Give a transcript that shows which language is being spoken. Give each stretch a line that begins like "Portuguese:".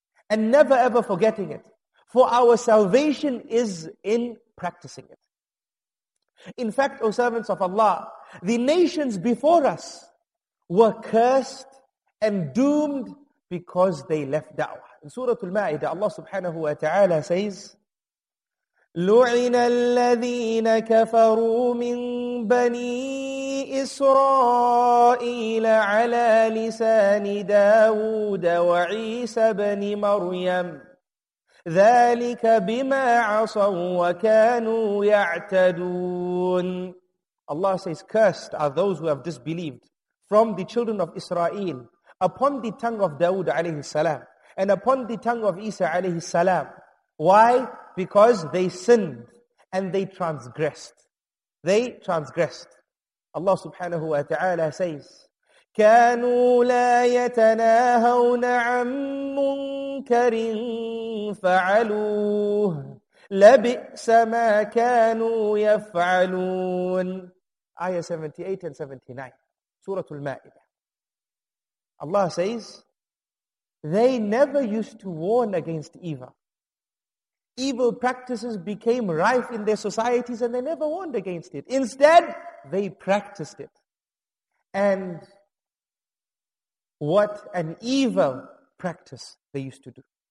English: And never ever forgetting it. For our salvation is in practicing it. In fact, O servants of Allah, the nations before us were cursed and doomed because they left da'wah. In Surah Al-Ma'idah, Allah subhanahu wa ta'ala says,
Arabic: لُعِنَ الَّذِينَ كَفَرُوا مِن بَنِي إِسْرَائِيلَ عَلَى لِسَانِ دَاوُودَ وَعِيسَ بَنِ مَرْيَمَ ذَلِكَ بِمَا عَصَوا وَكَانُوا يَعْتَدُونَ.
English: Allah says, cursed are those who have disbelieved from the children of Israel upon the tongue of Dawood alayhi salam and upon the tongue of Isa alayhi salam. Why? Because they sinned and they transgressed. They transgressed. Allah subhanahu wa ta'ala says,
Arabic: كَانُوا لَا يَتَنَاهَوْنَ عَن مُنْكَرٍ فَعَلُوهُ لَبِئْسَ مَا كَانُوا يَفْعَلُونَ.
English: Ayah 78 and 79, Surah Al-Ma'idah. Allah says, they never used to warn against evil. evil practices became rife in their societies and they never warned against it. Instead, they practiced it. And what an evil practice they used to do.